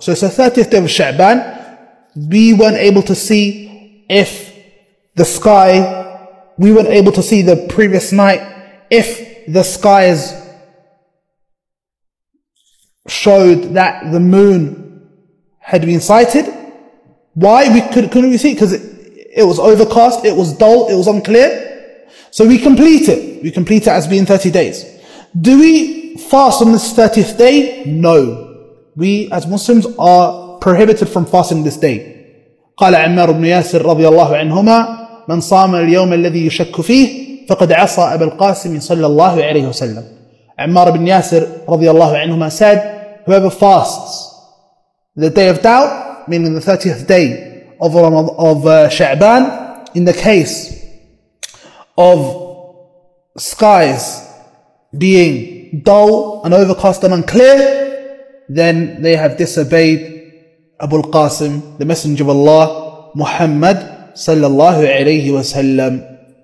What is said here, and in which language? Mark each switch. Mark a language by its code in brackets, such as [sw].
[en] So it's the 30th day of Sha'ban. We weren't able to see if the sky, we weren't able to see the previous night, if the skies showed that the moon had been sighted. Why? Couldn't we see? Because it was overcast, it was dull, it was unclear. So we complete it. We complete it as being 30 days. Do we fast on this 30th day? No. We as Muslims are prohibited from fasting this day. [ar] قال عمار بن ياسر رضي الله عنهما من صام اليوم الذي يشك فيه فقد عصى أبا القاسم صلى الله عليه وسلم. [en] عمار بن ياسر [ar] رضي الله عنهما [en] said, whoever fasts the day of doubt, meaning the 30th day of Sha'ban, in the case of skies being dull and overcast and unclear, then they have disobeyed Abu al-Qasim, the Messenger of Allah, Muhammad sallallahu alayhi wa sallam.